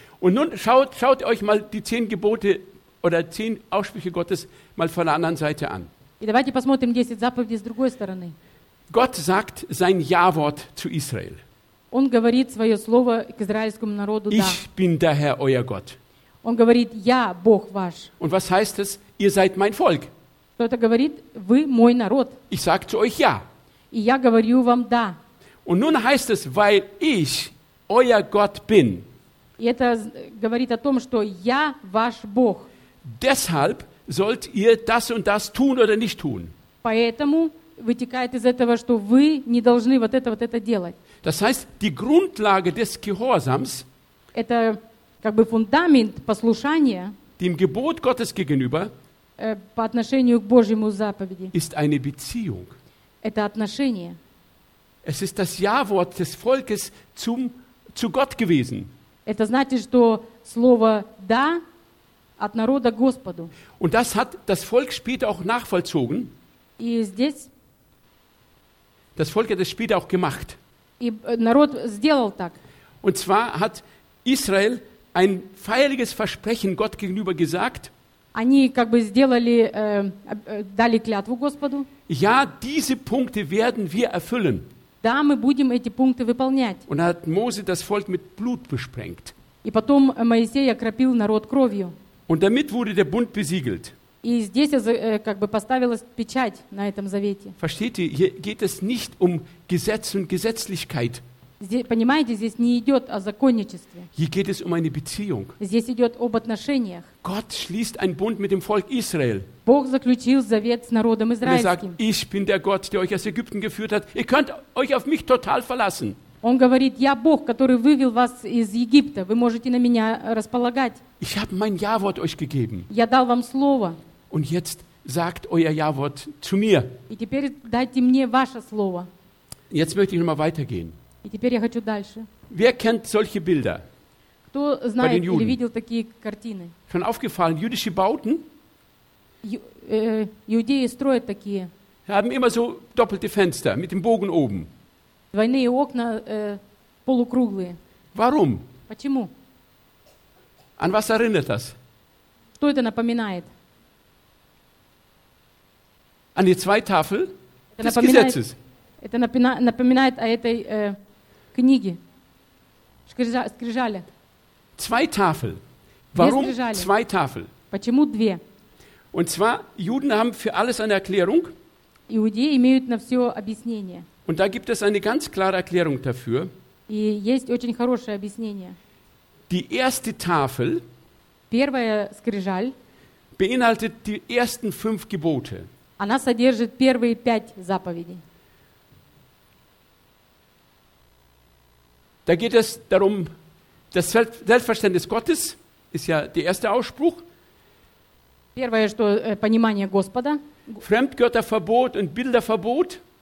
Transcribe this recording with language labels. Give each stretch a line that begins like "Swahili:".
German: Und nun schaut euch mal die 10 Gebote oder 10 Aussprüche Gottes mal von der anderen Seite an.
Russian: И давайте посмотрим 10 заповедей с другой стороны.
German: Gott sagt sein Ja-Wort zu Israel.
Russian: Он говорит свое слово к израильскому народу.
German: Ich bin der Herr, euer Gott.
Russian: Он говорит, я Бог ваш.
German: Und was heißt es? Ihr seid mein Volk.
Russian: Что это говорит? Вы мой народ.
German: Ich sag zu euch Ja.
Russian: И я говорю вам Да.
German: Und nun heißt es, weil ich euer Gott bin.
Russian: И это говорит о том, что я ваш Бог.
German: Deshalb sollt ihr das und das tun oder nicht tun?
Russian: Поэтому вытекает из этого, что вы не должны вот это делать.
German: Das heißt, die Grundlage des Gehorsams,
Russian: это как бы фундамент послушания,
German: dem Gebot Gottes gegenüber,
Russian: по отношению к Божьему заповеди,
German: ist eine Beziehung.
Russian: Это отношение.
German: Es ist das Ja-Wort des Volkes zu Gott gewesen.
Russian: Это значит, что слово «да» от народа Господу.
German: Und das hat das Volk später auch nachvollzogen.
Russian: И здесь
German: das Volk hat es später auch gemacht.
Russian: И народ сделал так.
German: Und zwar hat Israel ein feierliches Versprechen Gott gegenüber gesagt.
Russian: Они как бы сделали дали клятву Господу.
German: Ja, diese Punkte werden wir erfüllen.
Russian: Да, мы будем эти пункты выполнять.
German: Und hat Mose das Volk mit Blut besprengt.
Russian: И потом Моисей окропил народ кровью.
German: Und damit wurde der Bund besiegelt.
Russian: И здесь как бы поставилась печать на этом завете.
German: Versteht ihr, hier geht es nicht um Gesetz und Gesetzlichkeit.
Russian: Понимаете, здесь не идет о законничестве.
German: Hier geht es um eine Beziehung.
Russian: Здесь идет об отношениях.
German: Gott schließt einen Bund mit dem Volk Israel.
Russian: Бог заключил завет с народом израильским.
German: Und er sagt, ich bin der Gott, der euch aus Ägypten geführt hat. Ihr könnt euch auf mich total verlassen.
Russian: Он говорит, я Бог, который вывел вас из Египта. Вы можете на меня располагать.
German: Ich habe mein Ja-Wort euch gegeben.
Russian: Я дал вам слово.
German: Und jetzt sagt euer Ja-Wort zu mir.
Russian: И теперь дайте мне ваше слово.
German: Jetzt möchte ich nochmal weitergehen.
Russian: И теперь я хочу дальше.
German: Wer kennt solche Bilder?
Russian: Кто знает
German: bei den Juden?
Russian: Или видел такие картины?
German: Schon aufgefallen, jüdische Bauten?
Russian: Иудеи строят такие.
German: Haben immer so doppelte Fenster mit dem Bogen oben.
Russian: Двойные окна полукруглые.
German: Warum?
Russian: Почему?
German: An was erinnert das?
Russian: Что это напоминает?
German: An die zwei Tafel des Gesetzes.
Russian: Это напоминает о этой книге. Скрижали.
German: Zwei Tafel. Warum zwei Tafel?
Russian: Почему две?
German: Und zwar, Juden haben für alles eine Erklärung.
Russian: Иудеи имеют на все объяснение.
German: Und da gibt es eine ganz klare Erklärung dafür.
Russian: И есть очень хорошее объяснение.
German: Die erste Tafel
Russian: первая скрижаль
German: beinhaltet die ersten 5 Gebote.
Russian: Она содержит первые 5 заповедей.
German: Da geht es darum, das Selbstverständnis Gottes ist ja der erste Ausspruch.
Russian: Первое, что понимание Господа.
German: Fremdgötterverbot und Bilderverbot.